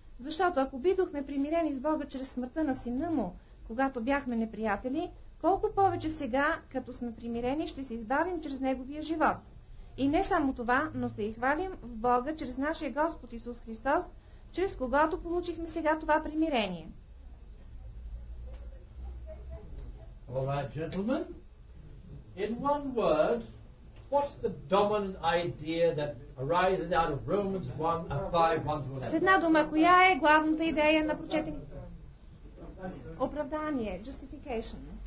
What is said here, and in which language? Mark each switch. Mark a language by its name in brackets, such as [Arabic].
[Bulgarian] Защото ако бидохме примирени с Бога чрез смъртта на сина му, когато бяхме неприятели, колко повече сега, като сме примирени, ще се избавим чрез неговия живот. И не само това, но се и хвалим в Бога чрез нашия Господ Исус Христос, чрез когато получихме сега това примирение. [English] All right, gentlemen. In one word, what's the dominant idea that arises out of Romans 1, 5, 1 to 11? [Bulgarian] С една дума, коя е главната идея на прочетен... Оправдание, justification.